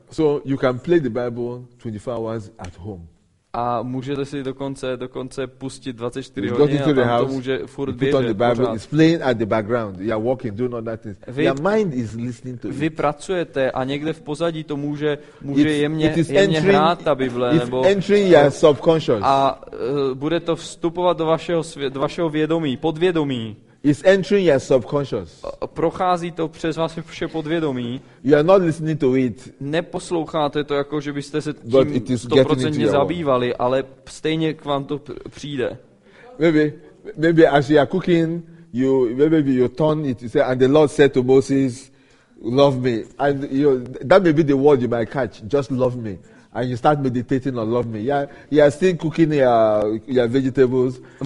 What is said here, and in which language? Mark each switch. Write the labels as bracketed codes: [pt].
[en] So you can play the Bible 24 hours at home. [cs] A můžete si dokonce pustit 24 hodin, a tam to může furt běžet. [en] Put on the Bible, it's playing at the background. You are walking, doing all that things. Your mind is listening to it. [cs] Vy pracujete a někde v pozadí to může jemně hrát ta Bible, nebo [en] entering your subconscious. [cs] A bude to vstupovat do vašeho vědomí, podvědomí. [en] It's entering your subconscious. [cs] Prochází to přes vás vše podvědomí. [en] You are not listening to it. [cs] Neposloucháte to jako, že byste se tím 100% zabývali, ale stejně k vám to přijde. [en] Maybe as you are cooking, you turn it, you say, and the Lord said to Moses, love me. And you that may be the word you might catch, just love me. And you start meditating on love me. You are still cooking your vegetables.